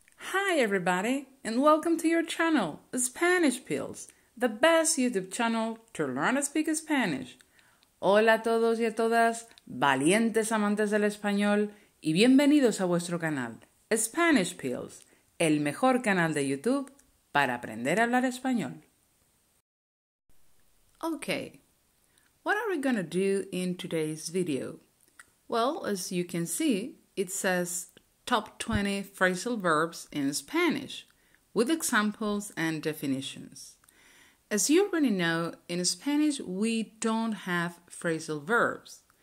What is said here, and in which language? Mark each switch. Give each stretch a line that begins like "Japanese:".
English: Hi everybody, and welcome to your channel, Spanish Pills, the best YouTube channel to learn to speak Spanish.
Spanish: Hola a todos y a todas, valientes amantes del español, y bienvenidos a vuestro canal, Spanish Pills, el mejor canal de YouTube para aprender a hablar español.
English: Okay, what are we gonna do in today's video? Well, as you can see, it says Top 20 phrasal verbs in Spanish, with examples and definitions. As you already know, in Spanish we don't have phrasal verbs.